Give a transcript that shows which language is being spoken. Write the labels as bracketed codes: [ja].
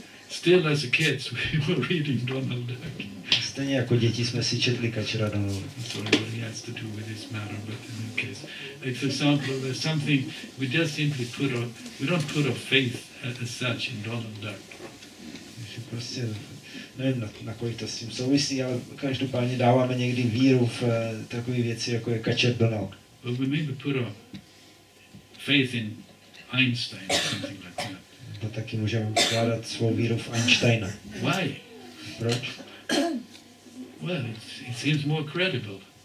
[en] Still as a kid we were reading Donald Duck. [cs] Stejně jako děti jsme si četli Kočera Donalda. [en] Sorry, what he has to do with this matter, but in any case. It's a sample of something we just simply put our, we don't put our faith as such in Donald Duck. [cs] Prostě nevím, na kolik to s tím souvisí, ale každopádně dáváme někdy víru v takové věci, jako je Kočer Donald. [en] But we maybe put our faith in Einstein or something like that. [cs] No taky můžeme vkládat svou víru v Einsteina. [en] Why? [cs] Proč? [en] Well, it seems more credible.